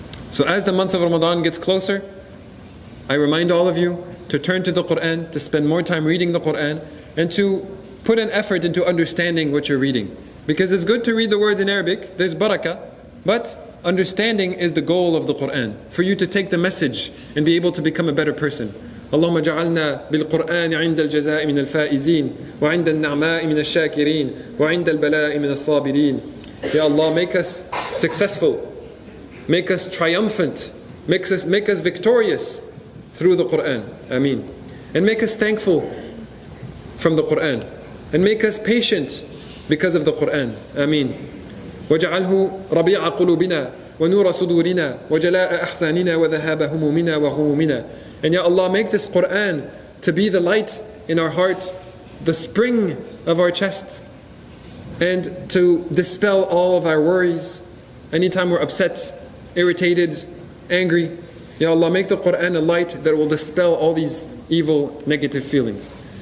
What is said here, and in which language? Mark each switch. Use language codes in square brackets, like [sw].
[en] So as the month of Ramadan gets closer, I remind all of you to turn to the Qur'an, to spend more time reading the Qur'an, and to put an effort into understanding what you're reading. Because it's good to read the words in Arabic, there's barakah, but understanding is the goal of the Qur'an, for you to take the message and be able to become a better person. [ar] اللهم اجعلنا بالقرآن عند الجزاء من الفائزين وعند النعماء من الشاكرين وعند البلاء من الصابرين. [en] Ya Allah, make us successful, make us triumphant, make us victorious through the Qur'an. Ameen. And make us thankful from the Qur'an, and make us patient because of the Qur'an. Ameen. [ar] واجعله ربيع قلوبنا ونور صدورنا وجلاء أحزاننا وذهاب همومنا وغمومنا. [en] And Ya Allah, make this Qur'an to be the light in our heart, the spring of our chest, and to dispel all of our worries. Anytime we're upset, irritated, angry, Ya Allah, make the Qur'an a light that will dispel all these evil, negative feelings.